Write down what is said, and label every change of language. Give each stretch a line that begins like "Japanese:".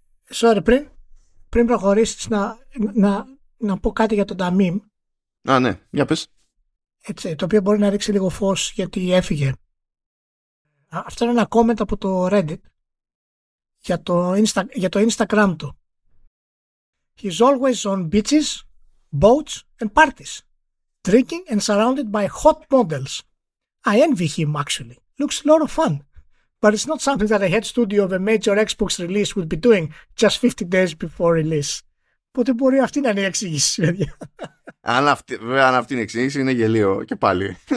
Greek: Sorry, πριν προχωρήσεις να πω κάτι για τον Ταμίμ. Α, ναι, για πες. Έτσι, το οποίο μπορεί να ρίξει λίγο φως γιατί έφυγε. Αυτό είναι ένα comment από το Reddit. Για το Instagram του.
English: He's always on beaches, boats and parties, drinking and surrounded by hot models. I envy him actually. Looks a lot of fun. But it's not something that a head studio of a major Xbox release would be doing just 50 days before release.
Greek: Οπότε μπορεί αυτή να είναι η εξήγηση. Αν αυτή είναι η εξήγηση, είναι γελίο και πάλι.